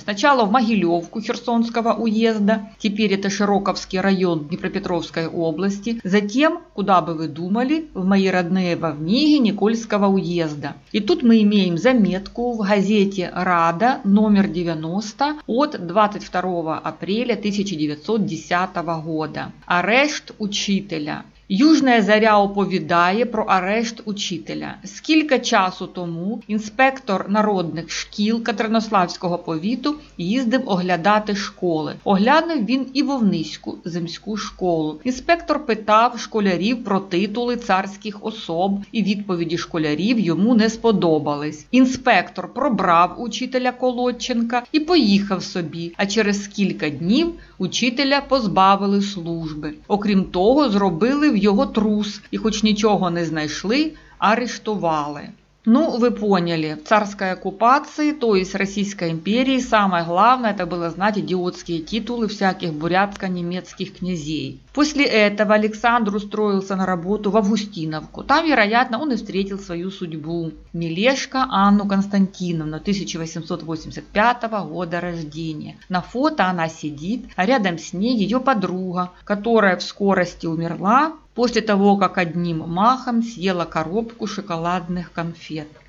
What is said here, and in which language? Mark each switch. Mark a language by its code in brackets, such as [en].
[ru] Сначала в Могилевку Херсонского уезда, теперь это Широковский район Днепропетровской области, затем, куда бы вы думали, в мои родные Вовниги Никольского уезда. И тут мы имеем заметку в газете «Рада» номер 90 от 22 апреля 1910 года. [uk] Арешт учителя. Южная заря оповідає про арешт учителя. Скільки часу тому інспектор народних шкіл Катеринославського повіту їздив оглядати школи. Оглянув він і Вовниську земську школу. Інспектор питав школярів про титули царських особ, і відповіді школярів йому не сподобались. Інспектор пробрав учителя Колодченка і поїхав собі, а через кілька днів учителя позбавили служби. Окрім того, зробили в його трус і хоч нічого не знайшли, арештували. Ну, ви поняли, в царській окупації, тобто Російській імперії, [ru] самое главное, [uk] це було знати ідіотські титули всяких бурятсько-німецьких князів. [ru] После этого Александр устроился на работу в Августиновку. Там, вероятно, он и встретил свою судьбу. Мелешко Анну Константиновну 1885 года рождения. На фото она сидит, а рядом с ней ее подруга, которая в скорости умерла после того, как одним махом съела коробку шоколадных конфет.